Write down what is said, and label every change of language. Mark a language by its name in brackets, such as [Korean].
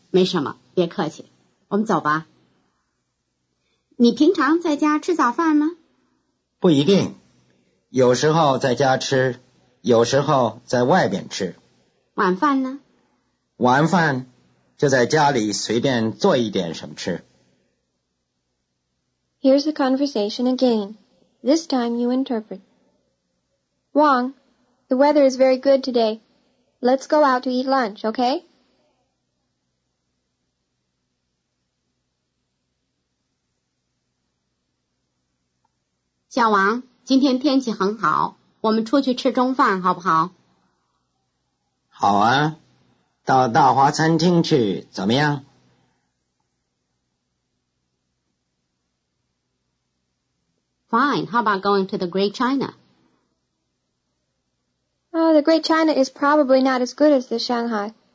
[Chinese] 没什么，别客气。我们走吧。你平常在家吃早饭吗？不一定，有时候在家吃，有时候在外边吃。晚饭呢？晚饭就在家里随便做一点什么吃。 [English] Here's the conversation again. This time you interpret. Wang, the weather is very good today. Let's go out to eat lunch, okay? [Chinese] 小王，今天天气很好，我们出去吃中饭好不好？好啊，到大华餐厅去怎么样？ [English] Fine, how about going to the Great China? Oh, the Great China is probably not as good as the Shanghai.